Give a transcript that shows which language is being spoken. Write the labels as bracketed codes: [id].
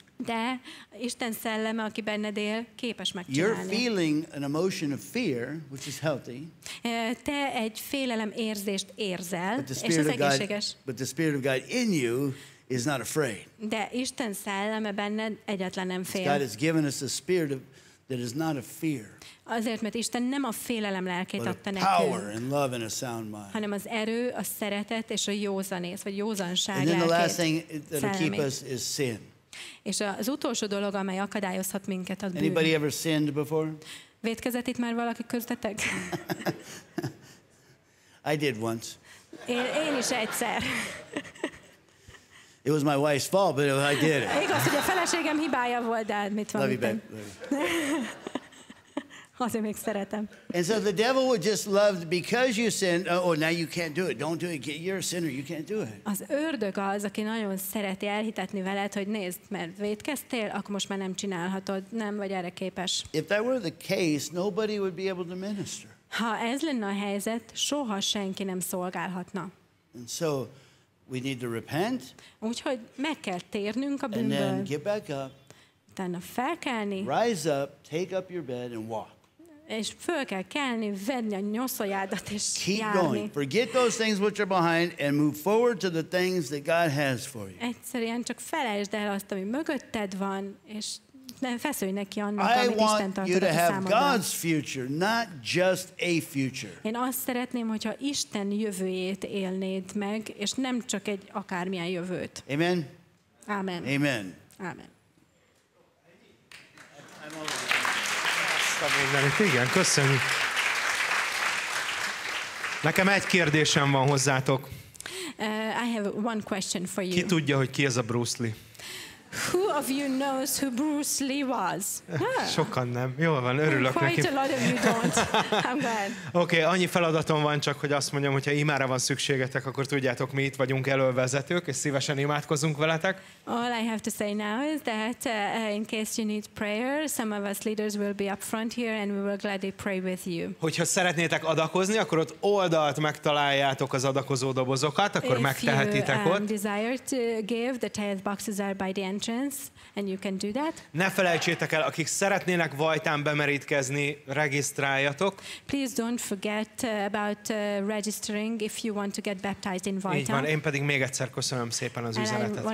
[hu] De Isten szelleme, aki benned él, képes megcsinálni. [en] You're feeling an emotion of fear, which is healthy. [hu] Te egy félelem érzést érzel, és ez egészséges. [en] But the Spirit of God in you is not afraid. [hu] De Isten szelleme benned egyetlen nem fél. [en] God has given us a spirit of, that is not a fear. [hu] Azért, mert Isten nem a félelem lelkét adta nekünk, [en] power and love and a sound mind. [hu] Hanem az erő, a szeretet és a józanész, vagy józanság [en] and then [hu] lelkét. [en] The last thing that will keep us is sin. [hu] És az utolsó dolog, amely akadályozhat minket, a bűn. [en] Anybody ever sinned before? [hu] Vétkezett itt már valaki köztetek? [en] I did once. [hu] Én is egyszer. [en] It was my wife's fault, but I did it. [hu] Igaz, hogy a feleségem hibája volt, de mit van? [en] Love you, babe. [hu] Azért még szeretem. [en] And so the devil would just love because you sin. Oh, now you can't do it. Don't do it. You're a sinner. You can't do it. [hu] Az ördög az, aki nagyon szereti elhitetni veled, hogy nézd, mert vétkeztél, akkor most már nem csinálhatod, nem vagy erre képes. [en] If that were the case, nobody would be able to minister. [hu] Ha ez lenne a helyzet, soha senki nem szolgálhatna. [en] And so we need to repent. [hu] Úgyhogy meg kell térnünk a bűnből. [en] And then get back up. [hu] Utána fel kellni, [en] rise up, take up your bed and walk. [hu] És föl kell kelni, venni a nyoszajádat és [en] keep [hu] járni. [en] Going. Forget those things which are behind and move forward to the things that God has for you. [hu] Egyszerűen csak felejtsd el azt, ami mögötted van, és nem feszülj neki annak, amit Isten tartott a számodban. [en] I want you to have God's future, not just a future. [hu] Én azt szeretném, hogyha Isten jövőjét élnéd meg, és nem csak egy akármilyen jövőt. Amen. Amen. Amen. Amen. Igen, köszönjük. Nekem egy kérdésem van hozzátok. [en] I have one question for you. [hu] Ki tudja, hogy ki ez a Bruce Lee? [en] Who of you knows who Bruce Lee was? [hu] Sokan nem. Jól van, örülök [en] quite [hu] neki. [en] Quite a lot of you don't. I'm glad. [hu] Okay, annyi feladatom van csak, hogy azt mondjam, hogyha imára van szükségetek, akkor tudjátok, mi itt vagyunk elővezetők, és szívesen imádkozunk veletek. [en] All I have to say now is that in case you need prayer, some of us leaders will be up front here, and we will gladly pray with you. [hu] Hogyha szeretnétek adakozni, akkor ott oldalt megtaláljátok az adakozó dobozokat, akkor [en] if [hu] megtehetitek [en] you, [hu] ott. [en] If you desire to give, the tithe boxes are by the end. And you can do that. [hu] Ne felejtsétek el, akik szeretnének Vajtán bemerítkezni, regisztráljatok. [en] Please don't forget about registering if you want to get baptized in Vajtán. [hu] Így van, én pedig még egyszer köszönöm szépen az üzenetet Rodnak.